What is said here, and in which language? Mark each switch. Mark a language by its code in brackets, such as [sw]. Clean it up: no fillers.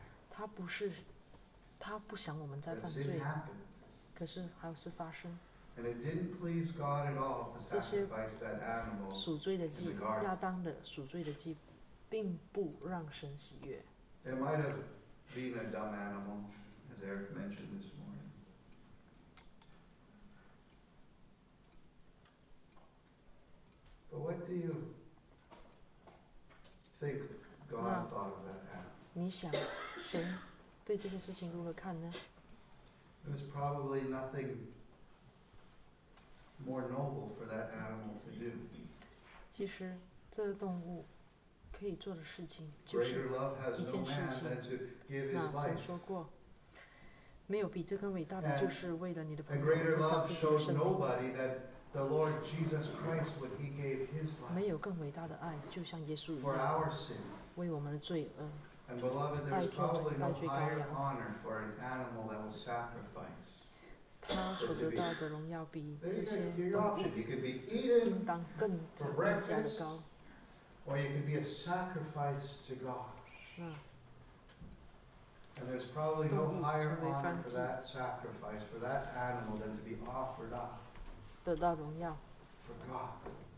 [zh] 他不是，他不想我们再犯罪。可是还是发生。 [en] And it didn't please God at all to sacrifice that animal in the garden. [zh] 亚当的赎罪的祭并不让神喜悦。 [en] It might have been a dumb animal, as Eric mentioned this morning. But what do you think God thought of that animal? [zh] 你想神对这些事情如何看呢？ [en] It was probably nothing more noble for that animal to do. [zh] 其实这动物可以做的事情就是一件事情。那神说过，没有比这更伟大的，就是为了你的朋友付上自己的生命。没有更伟大的爱，就像耶稣一样，为我们的罪恩。 [en] And beloved, there is probably no higher honor for an animal that will sacrifice. [zh] 他所得到的荣耀比这些动物更加的高。 [en] Or you can be a sacrifice to God. And there's probably no higher honor for that sacrifice, for that animal, than to be offered up. [zh] 得到荣耀。 [en] For God.